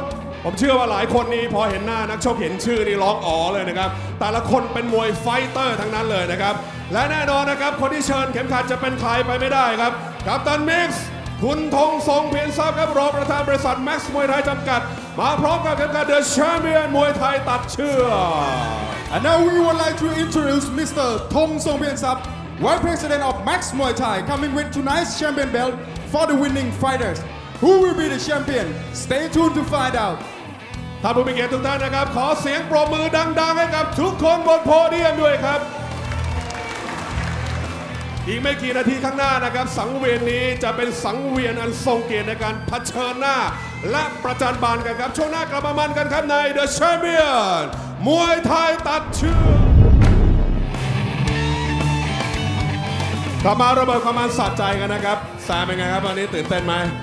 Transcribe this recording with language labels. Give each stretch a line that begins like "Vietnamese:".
Thai: ผมเชื่อว่าหลายคนนี้พอเห็นหน้านักชกเห็นชื่อนี่ร้องอ๋อเลยนะครับแต่ละคนเป็นมวยไฟเตอร์ทั้งนั้นเลยนะครับและแน่นอนนะครับคนที่เชิญเข็มขัดจะเป็นใครไปไม่ได้ครับกัปตันมิกซ์คุณธงทรงเพียรทรัพย์ครับรองประธานบริษัทแม็กซ์มวยไทยจำกัดมาพร้อมกับเข็มขัดเดอะแชมเปี้ยนมวยไทยตัดเชือก
English: And now we would like to introduce Mr. Thong Song Pien Sap, World President of Max Muay Thai, coming with tonight's champion belt for the winning fighters. Who will be the champion? Stay tuned to find out.
Thai: ท่านผู้มีเกียรติทุกท่านนะครับขอเสียงปรบมือดังๆให้กับทุกคนบนโพเดียมด้วยครับอีกไม่กี่นาทีข้างหน้านะครับสังเวียนนี้จะเป็นสังเวียนอันทรงเกียรติในการเผชิญหน้าและประจันบานกันครับช่วงหน้ากลับมามันกันครับใน The Champion มวยไทยตัดเชือกกลับมาระเบิดความมันสะใจกันนะครับแซมเป็นไงครับวันนี้ตื่นเต้นไหม